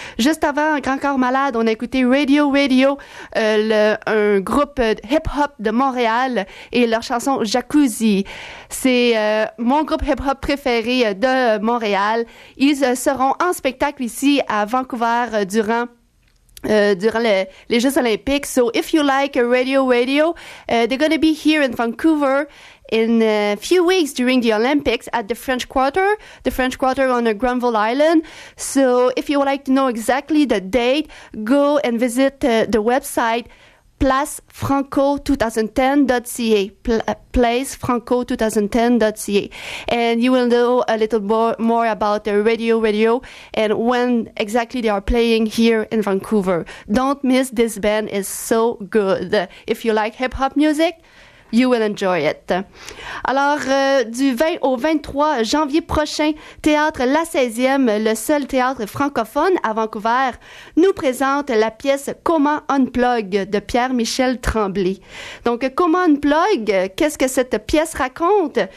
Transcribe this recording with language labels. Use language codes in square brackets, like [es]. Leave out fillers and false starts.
[fr] Juste avant Grand Corps Malade, on a écouté Radio, un groupe hip-hop de Montréal et leur chanson Jacuzzi. C'est mon groupe hip-hop préféré de Montréal. Ils seront en spectacle ici à Vancouver durant les Jeux Olympiques. [en] So if you like Radio, they're gonna be here in Vancouver in a few weeks during the Olympics at the French Quarter on Granville Island. So if you would like to know exactly the date, go and visit the website placefranco2010.ca, placefranco2010.ca, and you will know a little more about Radio and when exactly they are playing here in Vancouver. Don't miss this band, is so good. If you like hip-hop music, You will enjoy it. [fr] Alors, du 20 au 23 janvier prochain, Théâtre La 16e, le seul théâtre francophone à Vancouver, nous présente la pièce « Comment unplug » de Pierre-Michel Tremblay. Donc, « Comment unplug », qu'est-ce que cette pièce raconte?